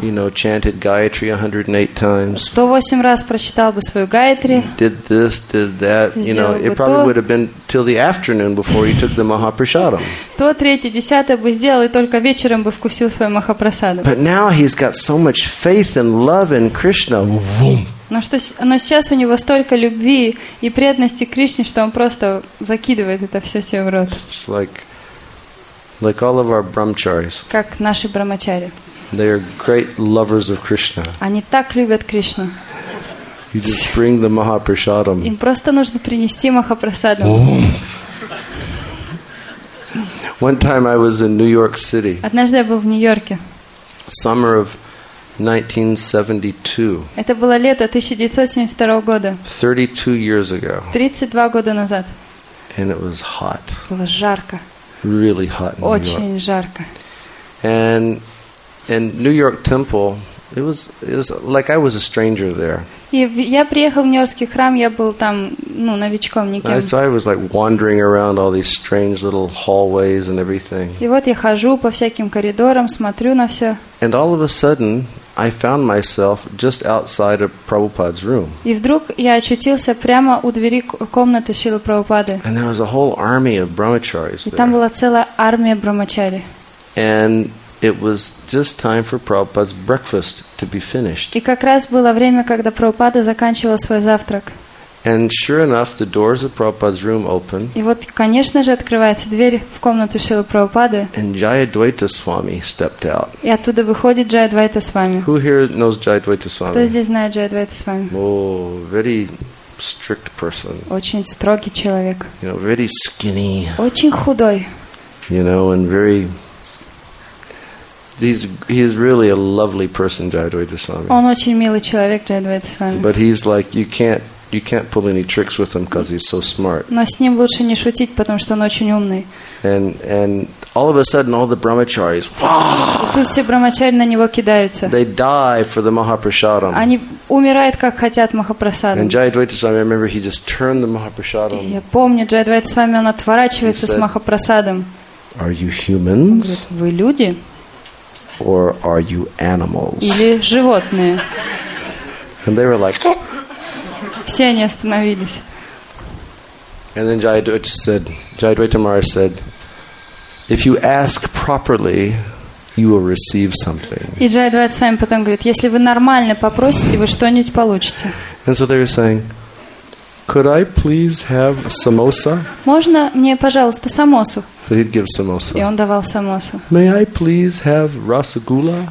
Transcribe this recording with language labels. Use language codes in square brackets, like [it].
[en] You know, chanted Gayatri 108 times. [ru] 108 раз прочитал бы свою Гаятри. [en] Did this, did that. You know, it probably would have been till the afternoon before he took the Mahaprasadam. [ru] То третье, десятое бы сделал и только вечером бы вкусил свой Махапрасадам. [en] But now he's got so much faith and love in Krishna. Boom. [ru] Но сейчас у него столько любви и преданности к Кришне, что он просто закидывает это все себе в рот. [en] Like all of our brahmacharis. [ru] Как наши брахмачари. [en] They are great lovers of Krishna. [ru] Они так любят Кришну. [en] You just bring the Mahaprasadam. [ru] Им просто нужно принести Махапрасадам. [en] One time I was in New York City. [ru] Однажды я был в Нью-Йорке. [en] Summer of 1972. [ru] Это было лето 1972 года. [en] 32 years ago. [ru] 32 года назад. [en] And it was hot. [ru] Было жарко. [en] Really hot in New York. [ru] Очень жарко. [en] And New York Temple, it was like I was a stranger there. [ru] И я приехал в Нью-Йоркский храм, я был там, ну, новичком, никем. [en] So I was like wandering around all these strange little hallways and everything. [ru] И вот я хожу по всяким коридорам, смотрю на все. [en] And all of a sudden, I found myself just outside of Prabhupada's room. [ru] И вдруг я очутился прямо у двери комнаты Шрилы Прабхупады. [en] And there was a whole army of brahmacharis there. [ru] И там была целая армия брахмачари. [en] And it was just time for Prabhupada's breakfast to be finished. [ru] И как раз было время, когда Прабхупада заканчивал свой завтрак. [en] And sure enough, the doors of Prabhupada's room open. [ru] И вот, конечно же, открывается дверь в комнату Шрилы Прабхупады. [en] And Jayadvaita Swami stepped out. [ru] И оттуда выходит Джайадвайта Свами. [en] Who here knows Jayadvaita Swami? [ru] Кто здесь знает Джайадвайта Свами? [en] Oh, very strict person. [ru] Очень строгий человек. [en] You know, very skinny. [ru] Очень худой. [en] You know, and very... He's really a lovely person, Jayadvaita Swami. [ru] Он очень милый человек, Джайадвайта Свами. [en] But he's like, you can't pull any tricks with him because he's so smart. [ru] Но с ним лучше не шутить, потому что он очень умный. [en] And all of a sudden, all the brahmacharis. [ru] Тут все брахмачари на него кидаются. [en] They die for the Mahaprasadam. [ru] Они умирают, как хотят Махапрасадам. [en] And Jayadvaita Swami, I remember, he just turned the Mahaprasadam. [ru] Я помню, Джайадвайта Свами, он отворачивается с Махапрасадом. [en] Are you humans? [ru] Вы люди? [en] Or are you animals? [ru] Или животные? [en] And they were like. [ru] Все они остановились. [en] And then Jayadvaita Maharaj said, "If you ask properly, you will receive something." [ru] И Джайадвайта Свами потом говорит, если вы нормально попросите, вы что-нибудь получите. [en] And so they were saying, "Could I please have samosa?" [ru] Можно мне, пожалуйста, самосу? [en] So he'd give samosa. [ru] И он давал самосу. [en] May I please have rasagula?